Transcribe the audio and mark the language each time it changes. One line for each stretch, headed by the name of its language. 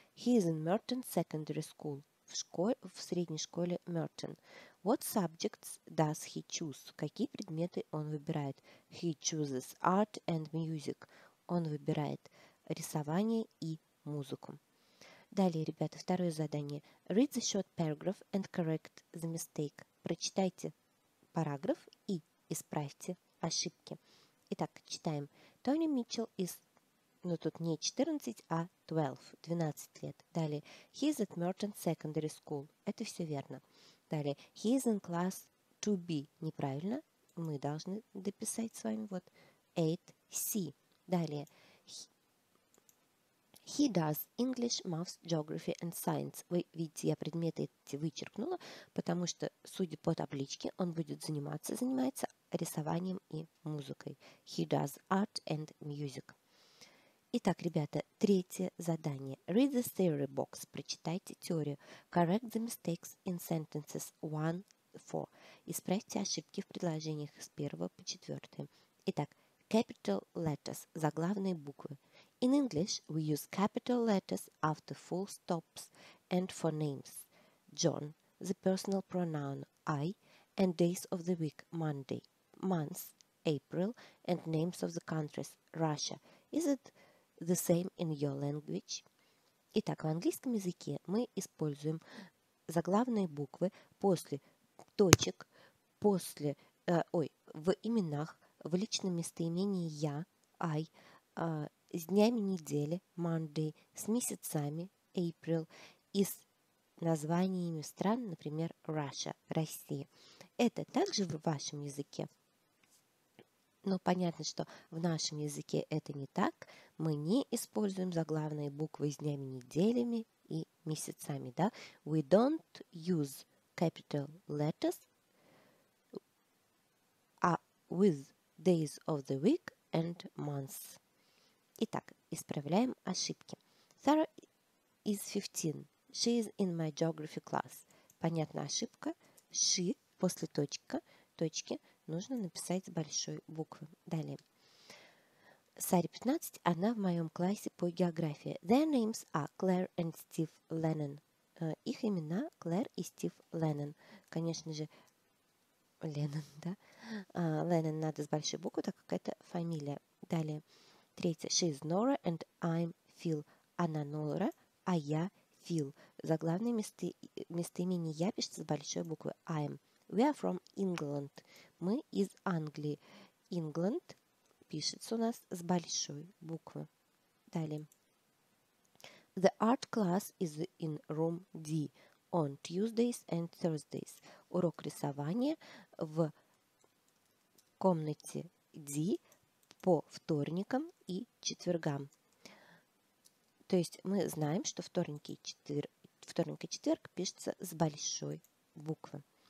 English: He is in Merton Secondary School.
Russian: В средней школе Merton.
English: What subjects does he choose?
Russian: Какие предметы он выбирает?
English: He chooses art and music.
Russian: Он выбирает рисование и музыку. Далее, ребята, второе задание.
English: Read the short paragraph and correct the mistake.
Russian: Прочитайте параграф и исправьте ошибки. Итак, читаем. Tony Mitchell is... Но тут не 14, а 12, 12 лет.
English: Далее, he is at Merton Secondary School.
Russian: Это все верно.
English: Далее, he is in class 2B.
Russian: Неправильно, мы должны дописать с вами вот 8C.
English: Далее, he does English, Maths, Geography and Science.
Russian: Вы видите, я предметы эти вычеркнула, потому что, судя по табличке, он будет занимается рисованием и музыкой.
English: He does art and music.
Russian: Итак, ребята, третье задание.
English: Read the theory box.
Russian: Прочитайте теорию.
English: Correct the mistakes in sentences 1-4.
Russian: Исправьте ошибки в предложениях с 1 по 4.
English: Итак, capital letters,
Russian: заглавные буквы.
English: In English we use capital letters after full stops and for names. John, the personal pronoun I, and days of the week, Monday, months, April, and names of the countries, Russia. Is it the same in your language?
Russian: Итак, в английском языке мы используем заглавные буквы после точек, в именах, в личном местоимении я, I, с днями недели, Monday, с месяцами, April, и с названиями стран, например, Russia, Россия. Это также в вашем языке. Но понятно, что в нашем языке это не так. Мы не используем заглавные буквы с днями, неделями и месяцами. Да?
English: We don't use capital letters with days of the week and months.
Russian: Итак, исправляем ошибки.
English: Sarah is 15. She is in my geography class.
Russian: Понятна ошибка. She после точки. Нужно написать с большой буквы. Далее. Саре 15, она в моем классе по географии.
English: Their names are Claire and Steve Lennon.
Russian: Их имена Claire и Steve Lennon. Конечно же, Lennon, да? Lennon надо с большой буквы, так как это фамилия. Далее. Третье.
English: She is Nora and I'm Phil.
Russian: Она Нора, а я Фил. Заглавное местоимение я пишется с большой буквы I'm.
English: We are from England.
Russian: Мы из Англии. England пишется у нас с большой буквы. Далее.
English: The art class is in room D on Tuesdays and Thursdays.
Russian: Урок рисования в комнате D по вторникам и четвергам. То есть мы знаем, что вторник и четверг пишется с большой буквы.